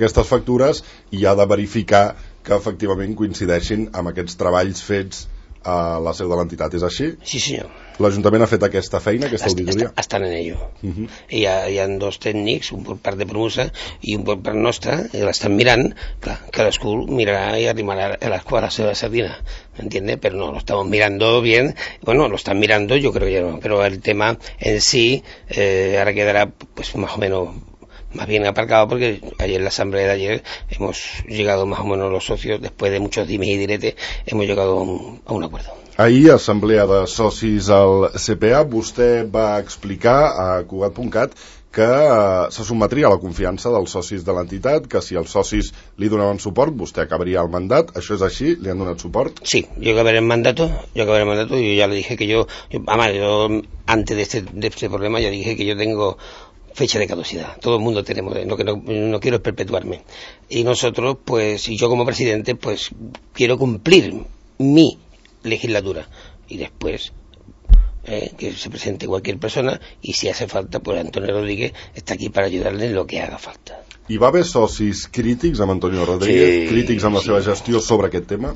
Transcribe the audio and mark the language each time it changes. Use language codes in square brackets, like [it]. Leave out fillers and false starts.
[ca] aquestes factures i ha de verificar que efectivament coincideixin amb aquests treballs fets a la seu de l'entitat. És així? Sí, senyor. L'Ajuntament ha fet aquesta feina, aquesta auditoria? Estan [es] en ello. [ca] Uh-huh. Hi ha dos tècnics, un per part de Promusa i un per part nostra, i l'estan mirant. Clar, cadascú mirarà i arrimarà a l'escua a la seva sardina, [es] ¿entiende? Pero no, lo estamos mirando bien. Bueno, lo están mirando, yo creo que no. Pero el tema en sí ahora quedará pues más o menos más bien aparcado, porque ayer en la asamblea de ayer hemos llegado más o menos los socios, después de muchos dimes y diretes, hemos llegado a un acuerdo. [ca] Ahir, assemblea de socis al CPA, vostè va explicar a Cugat.cat que se sotmetria a la confiança dels socis de l'entitat, que si els socis li donaven suport, vostè acabaria el mandat. Això és així? Li han donat suport? Sí, jo acabaré el [es] mandato, y ya le dije que yo antes de este problema, ya dije que yo tengo fecha de caducidad. Todo el mundo tenemos, lo que no quiero es perpetuarme. Y nosotros, pues, y yo como presidente, pues, quiero cumplir mi legislatura y después que se presente cualquier persona, y si hace falta, pues Antonio Rodríguez está aquí para ayudarle en lo que haga falta. [ca] Hi va haver socis crítics amb Antonio Rodríguez, sí, crítics amb la seva gestió sobre aquest tema?